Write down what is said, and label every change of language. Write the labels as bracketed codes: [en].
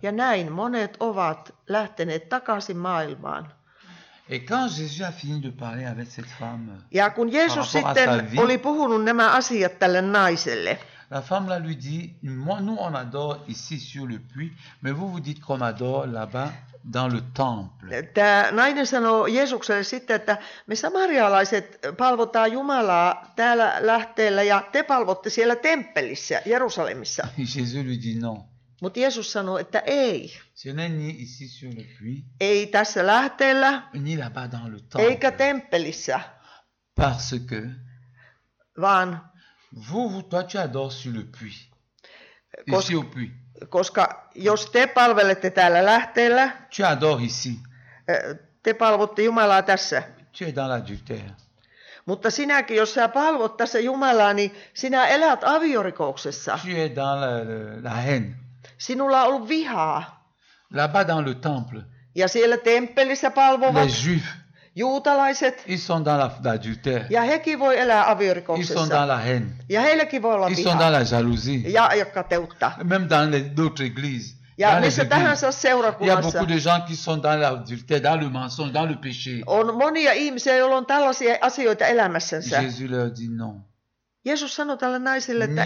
[fi] Ja näin monet ovat lähteneet takaisin maailmaan. [fr] Et quand Jésus a fini de parler avec cette femme, [fi] ja kun Jeesus sitten [fr] vie, [fi] oli puhunut nämä asiat tälle naiselle, [fr] la femme là lui dit, nous on adore ici sur le puits, mais vous vous dites qu'on adore là-bas dans le temple. [fi] Tämä nainen sanoi Jeesukselle sitten, että me samarialaiset palvotaan Jumalaa täällä lähteellä ja te palvotte siellä temppelissä Jerusalemissa. [fr] Jésus lui dit non. [fi] Mutta Jeesus sanoi, että ei. [fr] Si on ni ici sur le puits, [fi] ei tässä lähteellä. [fr] Ni là-bas dans le temple, [fi] eikä temppelissä. [fr] Parce que, [fi] vaan. [fr] Vous, vous, toi, tu adores sur le puits. Ici au puits. [fi] Koska jos te palvelette täällä lähteellä. [fr] Tu adores ici. [fi] Te palvotte Jumalaa tässä. [fr] Tu es dans l'adultère. [fi] Mutta sinäkin, jos sä palvot tässä Jumalaa, niin sinä elät aviorikouksessa. [fr] Tu es dans la haine. [fi] Sinulla on ollut vihaa. [fr] Là-bas dans le temple. [fi] Ja siellä temppelissä palvovat. [fr] Les Juifs. [fi] Juutalaiset. [fr] Ils sont dans l'adultère. [fi] Ja hekin voi elää aviorikoksessa. [fr] Ils sont dans la haine. [fi] Ja heilläkin voi olla [fr] ils [fi] vihaa. [fr] Ils sont dans la jalousie. [fi] Ja kateutta. [fr] Même dans les autres églises. [fi] Ja [fr] dans [fi] missä tahansa seurakunnassa. [fr] Il y a beaucoup de gens qui sont dans l'adultère, dans le mensonge, dans le péché. [fi] On monia ihmisiä, joilla on tällaisia asioita elämässänsä. [fr] Jésus leur dit non. [fi] Jeesus sanoi tälle naiselle, että